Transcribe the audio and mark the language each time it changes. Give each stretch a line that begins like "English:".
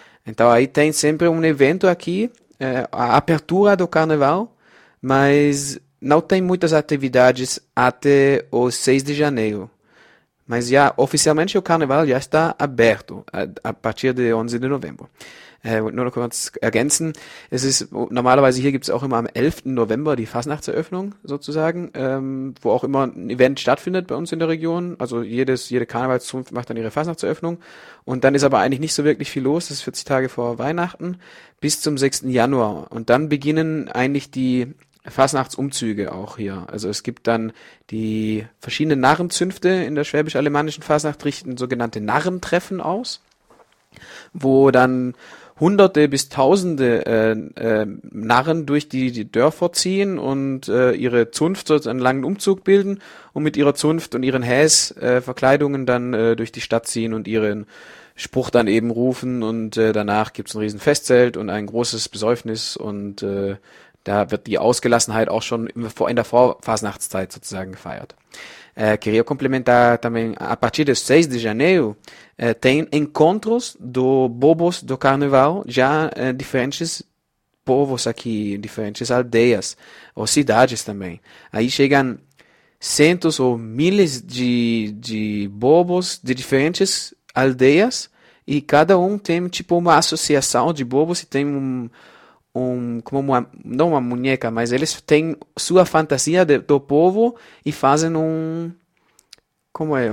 Portuguese: Então, aí tem sempre um evento aqui, a apertura do Carnaval, mas não tem muitas atividades até o 6 de janeiro. Mas já oficialmente o carnaval já está aberto a partir de 11 de novembro.
German: Nur kurz ergänzen: Es ist normalerweise hier gibt es auch immer am 11. November die Fasnachtseröffnung sozusagen, wo auch immer ein Event stattfindet bei uns in der Region. Also jede Karnevalszunft macht dann ihre Fasnachtseröffnung. Und dann ist aber eigentlich nicht so wirklich viel los. Das ist 40 Tage vor Weihnachten bis zum 6. Januar. Und dann beginnen eigentlich die Fasnachtsumzüge auch hier. Also es gibt dann die verschiedenen Narrenzünfte in der schwäbisch-alemannischen Fasnacht richten sogenannte Narrentreffen aus, wo dann Hunderte bis Tausende Narren durch die Dörfer ziehen und ihre Zunft so einen langen Umzug bilden und mit ihrer Zunft und ihren Häs-Verkleidungen dann durch die Stadt ziehen und ihren Spruch dann eben rufen und danach gibt es ein riesen Festzelt und ein großes Besäufnis und da wird die Ausgelassenheit auch schon in der Vorfasnachtszeit sozusagen gefeiert.
Portuguese: Queria complementar também, a partir do 6 de janeiro, tem encontros do bobos do carnaval, já diferentes povos aqui, diferentes aldeias, ou cidades também. Aí chegam centos ou milhares de bobos de diferentes aldeias, e cada um tem tipo uma associação de bobos e tem não uma muñeca, mas eles têm sua fantasia do povo e fazem como é?